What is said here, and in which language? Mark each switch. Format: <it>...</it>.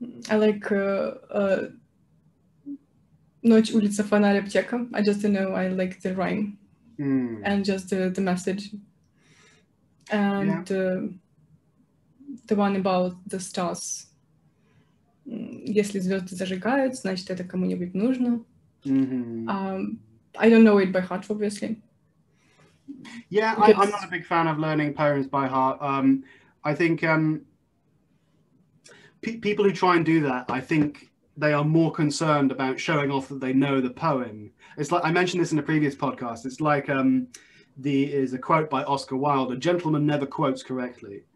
<en>I like</en> <ru>Ночь, улица, фонарь, аптека.</ru> <en>I just don't know, I like the rhyme and just the message. And yeah. The one about the stars.</en> <ru>Если звезды зажигают, значит, это кому-нибудь нужно.</ru> <en>I don't know it by heart, obviously. Yeah, I'm not a big fan of learning poems by heart. I think people who try and do that, I think they are more concerned about showing off that they know the poem. It's like, I mentioned this in a previous podcast, it's like, is a quote by Oscar Wilde, a gentleman never quotes correctly.</en>